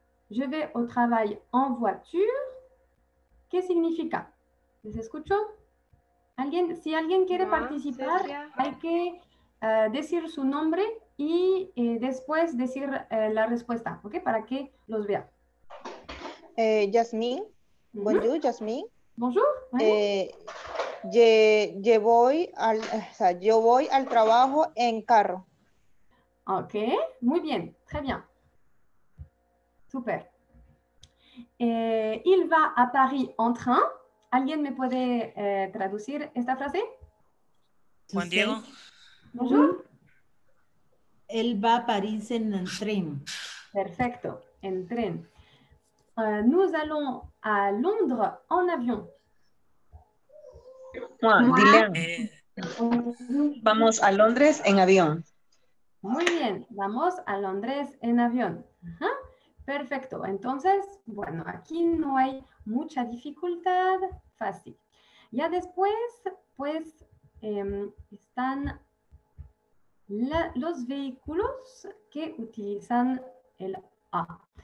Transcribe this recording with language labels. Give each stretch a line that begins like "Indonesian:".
French: Je vais au travail en voiture.
Spanish: ¿Qué significa? ¿Les escucho? ¿Alguien, si alguien quiere participar, hay que decir su nombre y después decir la respuesta, ¿ok? Para que los vea.
French: Yasmín. Bonjour, Yasmín. Bonjour.
Spanish: Yo voy al trabajo en carro. Ok, muy bien.
French: Très bien. Super. Il va a Paris en train.
Spanish: ¿Alguien me puede traducir esta frase? Juan Diego.
French: Bonjour.
Spanish: Él va a París en el tren. Perfecto, en tren.
French: Nous allons à Londres en avion.
Spanish: Vamos a Londres en avión. Muy bien, vamos a Londres en avión. Perfecto. Entonces, bueno, aquí no hay mucha dificultad, fácil. Ya después, pues, están los vehículos que utilizan el A.